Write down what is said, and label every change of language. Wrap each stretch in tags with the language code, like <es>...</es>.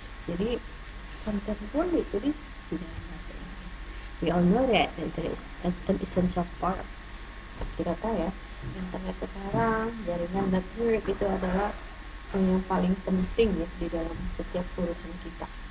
<id>Jadi konten pun ditulis di dalam bahasa Inggris.</id> <en>We all know that the internet is an essential part.</en> <id>Kita tahu ya, internet sekarang jaringan network itu adalah yang paling penting ya di dalam setiap urusan kita.</id>